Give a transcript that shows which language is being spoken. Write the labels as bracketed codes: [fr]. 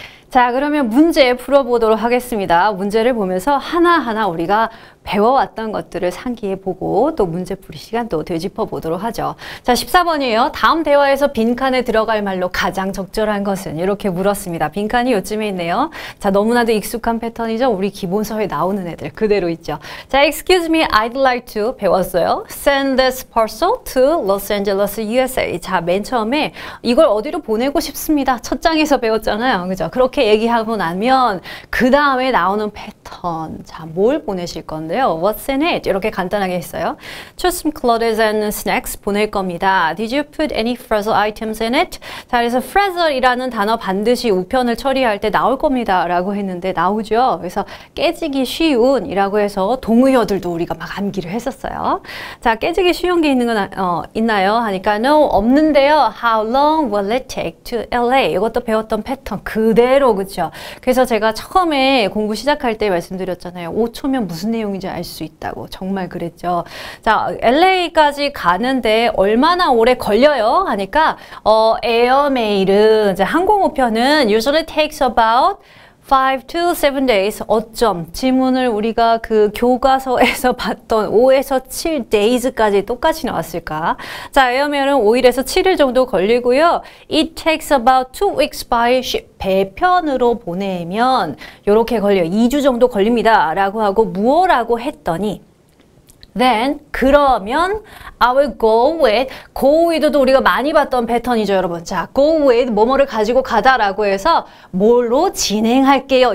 [ko] 자, 그러면 문제 풀어보도록 하겠습니다. 문제를 보면서 하나하나 우리가 배워왔던 것들을 상기해 보고 또 문제 풀이 시간도 되짚어 보도록 하죠. 자, 14번이에요. 다음 대화에서 빈칸에 들어갈 말로 가장 적절한 것은? 이렇게 물었습니다. 빈칸이 요쯤에 있네요. 자, 너무나도 익숙한 패턴이죠? 우리 기본서에 나오는 애들 그대로 있죠. [en] 자, Excuse me, I'd like to [ko] 배웠어요. [en] Send this parcel to Los Angeles, USA. [ko] 자, 맨 처음에 이걸 어디로 보내고 싶습니다. 첫 장에서 배웠잖아요. 그죠? 그렇게 얘기하고 나면 그 다음에 나오는 패턴. 자, 뭘 보내실 건데요? [en] What's in it? [ko] 이렇게 간단하게 했어요. [en] Choose some clothes and snacks [ko] 보낼 겁니다. [en] Did you put any frazzled items in it? [ko] 자, 그래서 frazzled이라는 단어 반드시 우편을 처리할 때 나올 겁니다. 라고 했는데 나오죠? 그래서 깨지기 쉬운 이라고 해서 동의어들도 우리가 막 암기를 했었어요. 자, 깨지기 쉬운 게 있나요? 하니까 No, 없는데요. [en] How long will it take to LA? [ko] 이것도 배웠던 패턴 그대로, 그쵸? 그래서 제가 처음에 공부 시작할 때 말씀드렸잖아요. 5초면 무슨 내용인지 알수 있다고. 정말 그랬죠. 자, LA까지 가는데 얼마나 오래 걸려요? 하니까 에어메일은 이제 항공우편은 [en] usually takes about 5 to 7 days. [ko] 어쩜? 지문을 우리가 그 교과서에서 봤던 5에서 7 days까지 똑같이 나왔을까? 자, 에어메일은 5일에서 7일 정도 걸리고요. [en] It takes about 2 weeks by ship. [ko] 배편으로 보내면 요렇게 걸려요. 2주 정도 걸립니다. 라고 하고 뭐라고 했더니 Then, 그러면, [en] I will go with, [ko] go with도 우리가 많이 봤던 패턴이죠, 여러분. 자, go with, 뭐뭐를 가지고 가다라고 해서, 뭘로 진행할게요.